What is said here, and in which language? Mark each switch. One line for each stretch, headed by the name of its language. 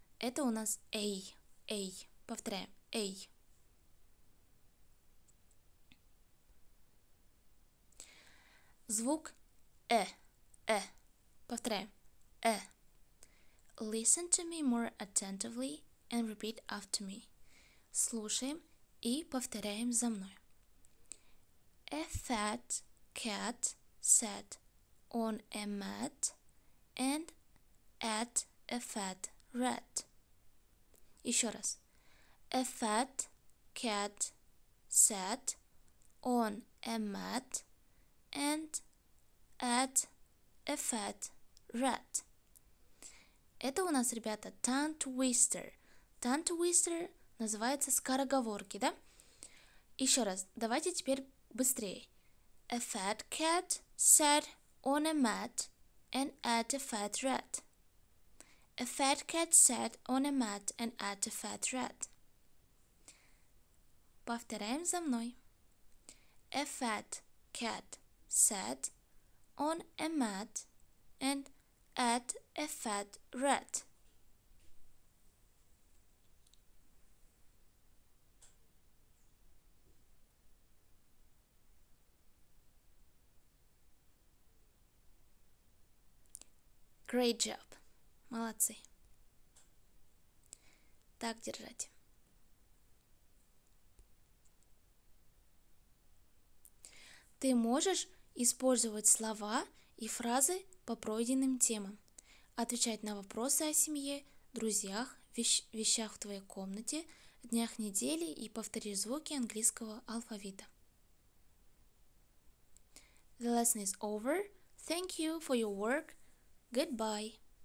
Russian: Это у нас A. A. Повторяем. A. Звук E. E. Повторяем. E.
English: Listen to me more attentively and repeat after me.
Russian: Слушаем и повторяем за мной.
English: A fat cat sat on a mat and ate a fat rat.
Russian: Еще раз.
English: A fat cat sat on a mat and ate a fat rat.
Russian: Это у нас, ребята, tongue twister. Tongue twister называется скороговорки, да? Еще раз, давайте теперь быстрее.
English: A fat cat sat on a mat and ate a fat rat. A fat cat sat on a mat and ate a fat rat.
Russian: Повторяем за мной.
English: A fat cat sat on a mat and ate a fat rat. Great job!
Russian: Молодцы! Так держать. Ты можешь использовать слова и фразы по пройденным темам, отвечать на вопросы о семье, друзьях, вещах в твоей комнате, днях недели и повторить звуки английского алфавита.
English: The lesson is over. Thank you for your work. Goodbye.